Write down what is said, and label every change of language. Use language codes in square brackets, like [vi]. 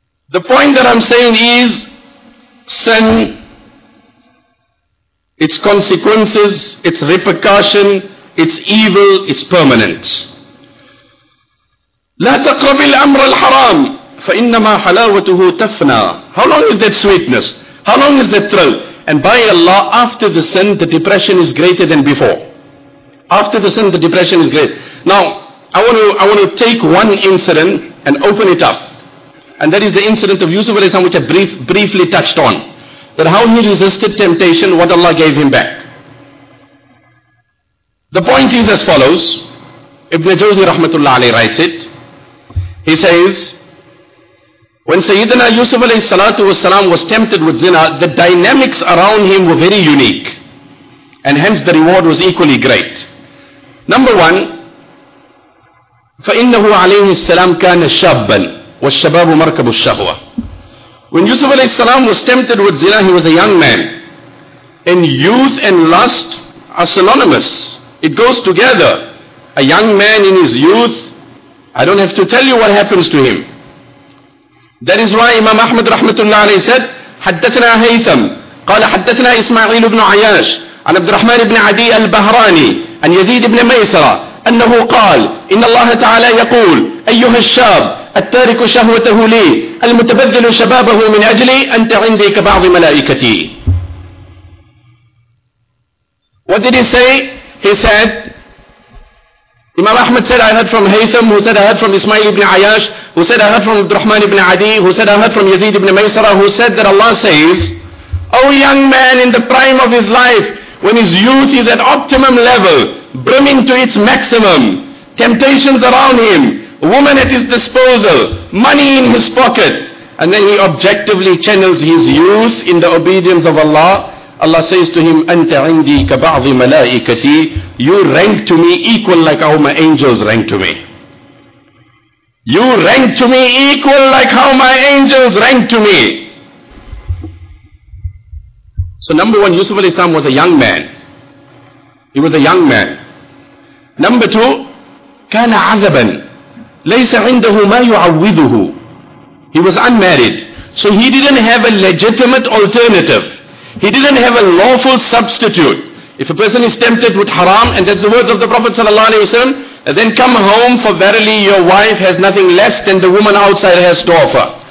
[en] The point that I'm saying is, sin, its consequences, its repercussion, its evil is permanent. [ar] لا تقرب الأمر الحرام فإنما حلاوته تفنى. [en] How long is that sweetness? How long is that thrill? And by Allah, after the sin, the depression is greater than before. After the sin, the depression is great. Now, I want to take one incident and open it up. And that is the incident of Yusuf alayhi salam, which I briefly touched on. That how he resisted temptation, what Allah gave him back. The point is as follows. Ibn Jawzi rahmatullah alayhi writes it. He says, when Sayyidina Yusuf alayhi salatu wasalam was tempted with zina, the dynamics around him were very unique. And hence the reward was equally great. Number one, [ar] فَإِنَّهُ عَلَيْهِ السَّلَامُ كَانَ شَابًّا وَالشَّبَابُ مَرْكَبُ الشَّهْوَةِ. [en] When Yusuf alayhi salam was tempted with zina, he was a young man. And youth and lust are synonymous. It goes together. A young man in his youth, I don't have to tell you what happens to him. That is why Imam Ahmad rahmatullah alayhi said, [ar] حَدَّثْنَا هَيْثَمْ قَالَ حَدَّثْنَا إِسْمَعِيلُ بْنُ عَيَاشِ عَنْ عَبْدِ الرَّحْمَنِ بْنِ عَدِيَ الْبَهْرَانِي عَنْ يَزِيدِ بْنِ مَيْسَرَ أَنَّهُ قَالَ إِنَّ اللَّهَ تَعَالَى يَقُولُ أَيُّهَا الشَّابُ التَّارِكُ شَهْوَتَهُ لِي الْمُتَبَذِّلُ شَبَابَهُ مِنْ أَجْلِي أَنْتَ عِنْدِي كَبَعْضِ مَلَائِكَتِي. [en] What did he say? He said, Imam Ahmad said, I heard from Haytham, who said, I heard from Ismail ibn Ayash, who said, I heard from Abd al-Rahman ibn Adi, who said, I heard from Yazid ibn Maysara, who said that Allah says, O young man in the prime of his life, when his youth is at optimum level, brimming to its maximum, temptations around him, woman at his disposal, money in his pocket, and then he objectively channels his youth in the obedience of Allah, Allah says to him, [ar] أنت عندي كبعض ملائكتي. [en] You rank to me equal like how my angels rank to me. You rank to me equal like how my angels rank to me. So number one, Yusuf alayhi salam was a young man. He was a young man. Number two, [ar] كان عزبا ليس عنده ما يعوذه. [en] He was unmarried. So he didn't have a legitimate alternative. He didn't have a lawful substitute. If a person is tempted with haram, and that's the words of the Prophet sallallahu alaihi wasallam, then come home, for verily your wife has nothing less than the woman outside has to offer.